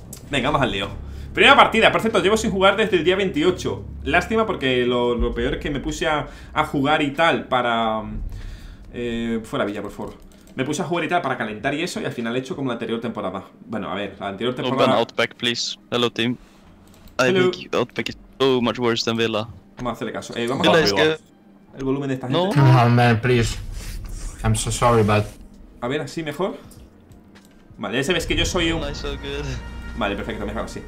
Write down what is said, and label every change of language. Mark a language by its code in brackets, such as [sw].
[es] Venga, vamos al lío. Primera partida, por cierto, llevo sin jugar desde el día 28. Lástima porque lo peor es que me puse a jugar y tal para... fuera Villa, por favor. Me puse a jugar y tal para calentar y eso, y al final he hecho como la anterior temporada. Bueno, a ver, la anterior temporada... [en] Open Outback, please. Hello, team. Hello. I think Outback is so much worse than Villa. [es] Vamos a hacerle caso. Vamos Villa a ver el volumen de esta no. gente. [en] Oh, man, please. I'm so sorry, but... [es] A ver, así mejor. Vale, ya sabes que yo soy un... So vale, perfecto, mejor así.